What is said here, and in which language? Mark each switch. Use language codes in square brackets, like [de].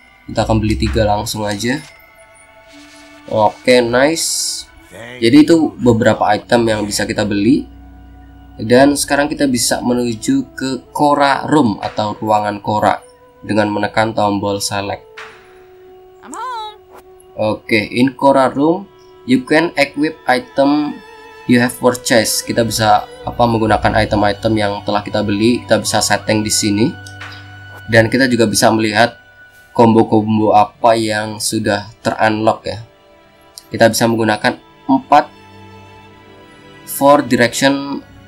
[id] Kita akan beli 3 langsung aja. Oke, nice. Jadi itu beberapa item yang bisa kita beli. Dan sekarang kita bisa menuju ke Korra Room atau ruangan Korra dengan menekan tombol select. [en] Oke, in Korra Room you can equip item you have purchased. [id] Kita bisa apa menggunakan item-item yang telah kita beli. Kita bisa setting di sini. Dan kita juga bisa melihat combo-combo apa yang sudah terunlock ya. Kita bisa menggunakan 4 [en] for direction.